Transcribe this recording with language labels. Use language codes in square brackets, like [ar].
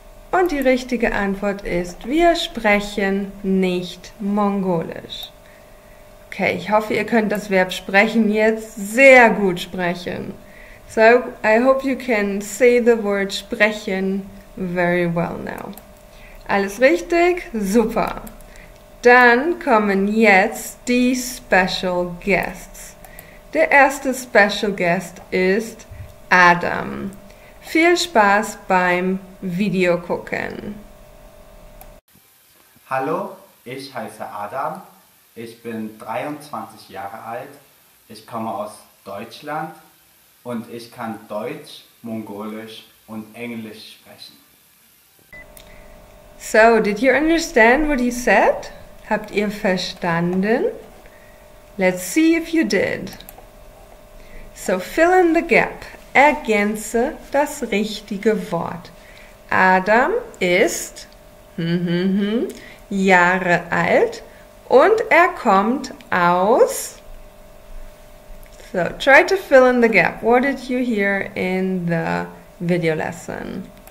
[de] Und die richtige Antwort ist, wir sprechen nicht Mongolisch. Okay, ich hoffe, ihr könnt das Verb sprechen jetzt sehr gut sprechen. [en] So, I hope you can say the word sprechen very well now. [de] Alles richtig? Super. Dann kommen jetzt die Special Guests. Der erste Special Guest ist Adam. Viel Spaß beim Video gucken. Hallo, ich heiße Adam. Ich bin 23 Jahre alt. Ich komme aus Deutschland und ich kann Deutsch, Mongolisch und Englisch sprechen. [en] So, did you understand what he said? [de] Habt ihr verstanden? [en] Let's see if you did. So, fill in the gap. [de] Ergänze das richtige Wort. Adam ist Jahre alt und er kommt aus. [en] So try to fill in the gap. What did you hear in the video lesson?